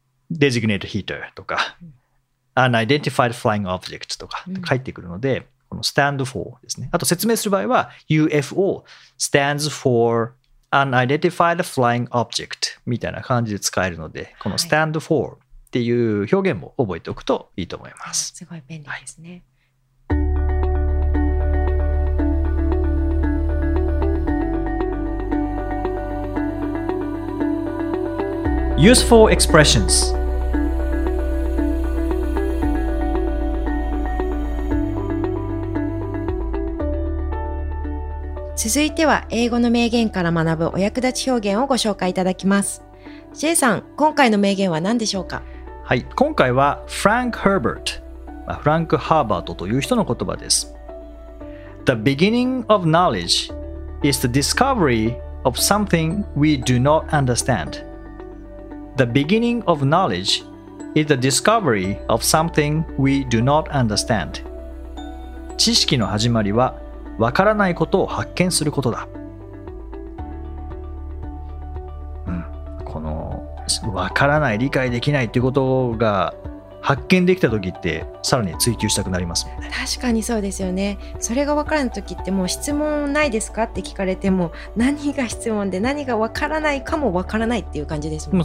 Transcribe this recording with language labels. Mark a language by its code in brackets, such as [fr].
[ja] うん、Designated heater とか、うん、 [en] Unidentified flying object [ja] とかって返ってくるので、うん、この stand for ですね。あと説明する場合は [en] UFO stands forUnidentified Flying Object [ja] みたいな感じで使えるので、この Stand For っていう表現も覚えておくといいと思います、はい、すごい便利ですね、はい、 [en] Useful Expressions。 [ja] 続いては英語の名言から学ぶお役立ち表現をご紹介いただきます。 J さん、今回の名言は何でしょうか。はい、今回はフランク・ハーバート、フランク・ハーバートという人の言葉です。 [en] The beginning of knowledge is the discovery of something we do not understand. The beginning of knowledge is the discovery of something we do not understand. [ja] 知識の始まりは分からないことを発見することだ、うん、この分からない、理解できないということが発見できた時ってさらに追求したくなりますよね。確かにそうですよね。それが分からない時ってもう質問ないですかって聞かれても、何が質問で何が分からないかも分からないっていう感じですもんね。